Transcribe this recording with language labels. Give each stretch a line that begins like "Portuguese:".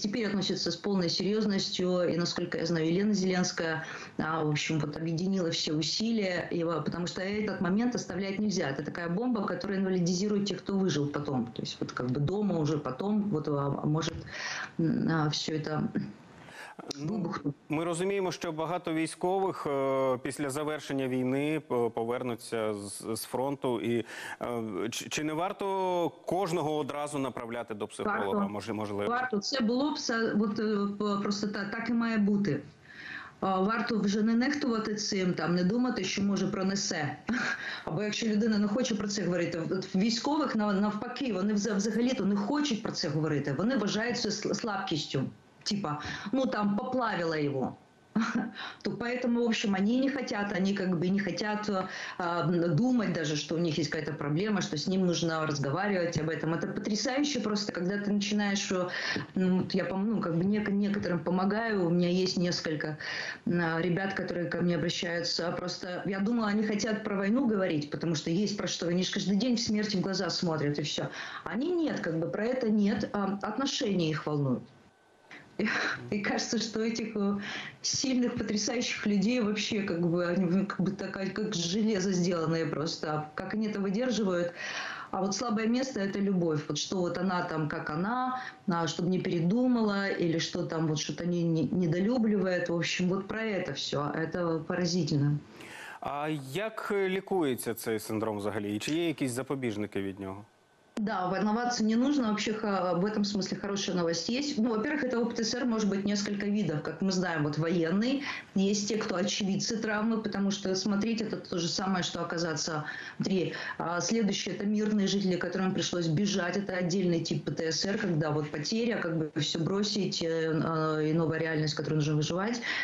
Russian: Теперь относятся с полной серьезностью. И, насколько я знаю, Елена Зеленская в общем, вот, объединила все усилия. И, потому что этот момент оставлять нельзя. Это такая бомба, которая инвалидизирует тех, кто выжил потом. То есть вот, как бы, дома уже потом вот, может все это...
Ukrainian: Ми розуміємо, що багато військових після завершення війни повернуться з фронту. І чи не варто кожного одразу направляти до психолога? Можливо, варто. Це було б просто так і має бути. Варто вже не нехтувати цим, там не думати, що може пронесе. Або якщо людина не хоче про це говорити, військових навпаки, вони взагалі то не хочуть про це говорити. Вони вважають це слабкістю.
Russian: Типа, ну там поплавило его. То поэтому, в общем, они не хотят, они как бы не хотят думать даже, что у них есть какая-то проблема, что с ним нужно разговаривать об этом. Это потрясающе просто, когда ты начинаешь, некоторым помогаю, у меня есть несколько ребят, которые ко мне обращаются. Просто я думала, они хотят про войну говорить, потому что есть про что. Они же каждый день в смерти в глаза смотрят и все. Они нет, как бы про это нет, отношения их волнуют. И кажется, что этих сильных, потрясающих людей вообще как бы они как бы такая, как железо сделанные просто. Как они это выдерживают? А вот слабое место — это любовь. Вот что вот она там, как она, чтобы не передумала, или что там вот что-то они недолюбливают. В общем, вот про это все. Это поразительно.
Ukrainian: А как лікується цей синдром взагалі? Чи є якісь запобіжники від нього?
Russian: Да, волноваться не нужно. Вообще в этом смысле хорошая новость есть. Ну, во-первых, этого ПТСР может быть несколько видов. Как мы знаем, вот военный, есть те, кто очевидцы травмы, потому что смотреть — это то же самое, что оказаться внутри. А следующее — это мирные жители, которым пришлось бежать. Это отдельный тип ПТСР, когда вот потеря, как бы все бросить, и новая реальность, в которой нужно выживать.